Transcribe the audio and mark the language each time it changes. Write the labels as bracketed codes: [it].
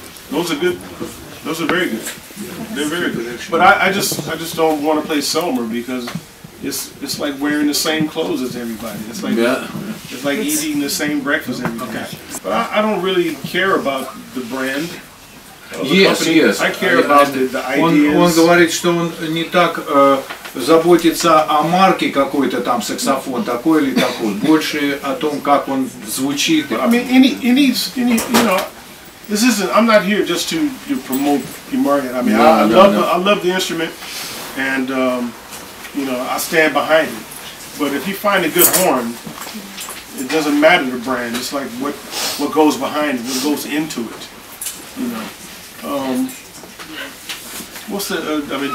[en] Those are good. Those are very good. They're very good. But I just don't want to play Summer because it's like wearing the same clothes as everybody. It's like eating the same breakfast every day. But I don't really care about the brand. Yes. I care about the ideas. [ru] Он говорит, что он не так заботится о марке какой-то там саксофон такой или такой, больше о том, как он звучит. [en] But, I mean, any, you know, this isn't. I'm not here just to promote the market. I mean, I love the instrument, and you know, I stand behind it. But if you find a good horn, it doesn't matter the brand. It's like what goes behind it, what goes into it, you know.